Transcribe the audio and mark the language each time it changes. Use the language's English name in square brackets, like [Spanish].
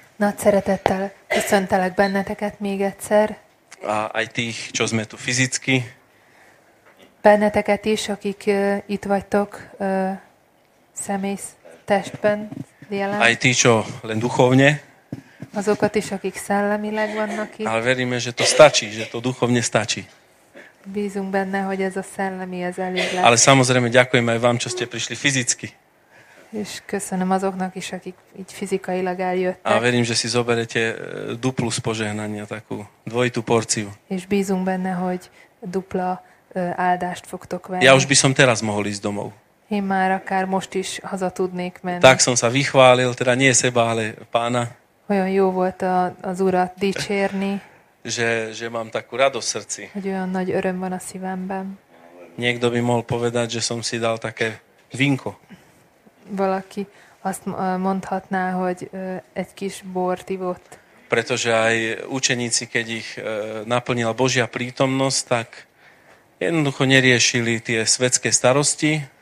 [Hungarian] Nagy szeretettel köszöntelek benneteket még egyszer. [Slovak] Aj tých, čo sme tu fyzicky. [Hungarian] Benneteket is, akik itt vagytok személy testben jelen. [Slovak] Aj tých, čo len duchovne. [Hungarian] Azokat is, akik szellemileg vannak itt. [Slovak] Ale veríme, že to stačí, že to duchovne stačí. [Hungarian] Bízunk benne, hogy ez a szellemi, ez elég lesz. [Slovak] Ale samozrejme ďakujem aj vám, čo ste prišli fyzicky. [Hungarian] És köszönöm azoknak is, akik így fizikailag eljöttek. [Slovak] A verím, že si zoberete duplu spožehnania, takú dvojitú porciu. [Hungarian] És bízunk benne, hogy dupla áldást fogtok venni. [Slovak] Ja už by som teraz mohol ísť domov. [Hungarian] Én már akár most is haza tudnék menni. [Slovak] Tak som sa vychválil, teda nie seba, ale pána. [Hungarian] Olyan jó volt az urat dicsérni. [Slovak] že mám takú radosť srdci. [Hungarian] Hogy olyan nagy öröm van a szívemben. [Slovak] Niekto by mohol povedať, že som si dal také vinko. [Hungarian] Valaki azt mondhatná, hogy egy kis bort ivott. [Slovak] Pretože aj učeníci, keď ich naplnila Božia prítomnosť, tak jednoducho neriešili tie svetské starosti.